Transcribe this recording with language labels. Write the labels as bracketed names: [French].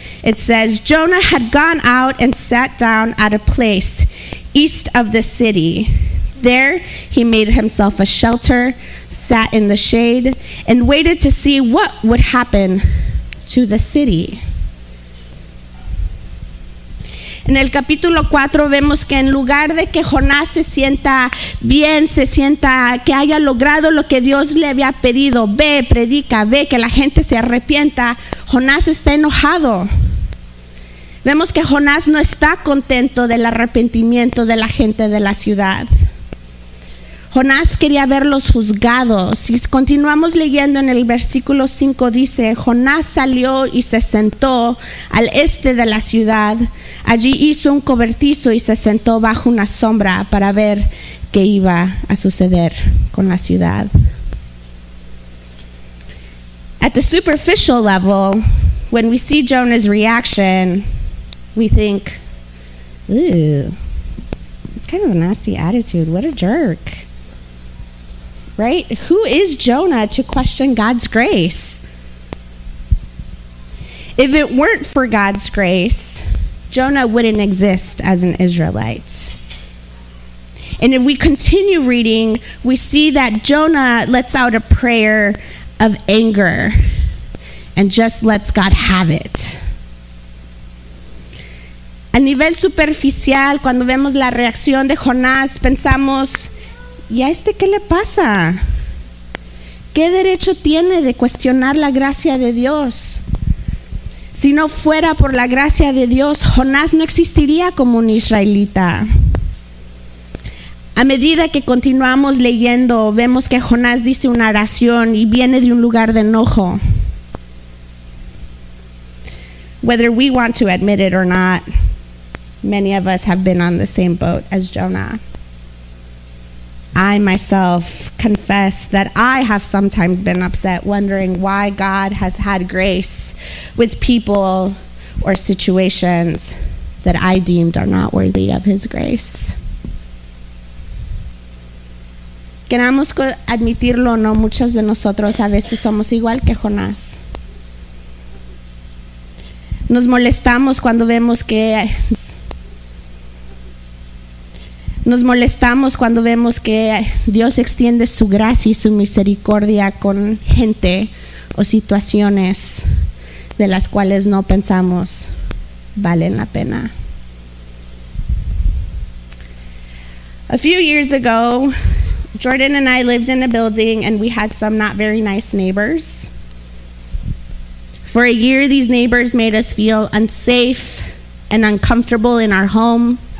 [English] It says, Jonah had gone out and sat down at a place east of the city. There he made himself a shelter, sat in the shade, and waited to see what would happen to the city. [Spanish] En el capítulo 4 vemos que en lugar de que Jonás se sienta bien, se sienta que haya logrado lo que Dios le había pedido, ve, predica, ve que la gente se arrepienta, Jonás está enojado. Vemos que Jonás no está contento del arrepentimiento de la gente de la ciudad. Jonás quería verlos juzgados. Si continuamos leyendo en el versículo 5, dice, Jonás salió y se sentó al este de la ciudad. Allí hizo un cobertizo y se sentó bajo una sombra para ver qué iba a suceder con la ciudad. [English] At the superficial level, when we see Jonah's reaction, we think, ooh, it's kind of a nasty attitude. What a jerk. Right? Who is Jonah to question God's grace? If it weren't for God's grace, Jonah wouldn't exist as an Israelite. And if we continue reading, we see that Jonah lets out a prayer of anger and just lets God have it. [Spanish] A nivel superficial, cuando vemos la reacción de Jonás, pensamos, ¿y a este qué le pasa? ¿Qué derecho tiene de cuestionar la gracia de Dios? Si no fuera por la gracia de Dios, Jonás no existiría como un israelita. A medida que continuamos leyendo, vemos que Jonás dice una oración y viene de un lugar de enojo. [English] Whether we want to admit it or not, many of us have been on the same boat as Jonah. I myself confess that I have sometimes been upset, wondering why God has had grace with people or situations that I deemed are not worthy of His grace. [Spanish] Queremos admitirlo, no, muchos de nosotros a veces somos igual que Jonás. Nos molestamos cuando vemos que Dios extiende su gracia y su misericordia con gente o situaciones de las cuales no pensamos valen la pena. [English] A few years ago, Jordan and I lived in a building and we had some not very nice neighbors. For a year, these neighbors made us feel unsafe and uncomfortable in our home.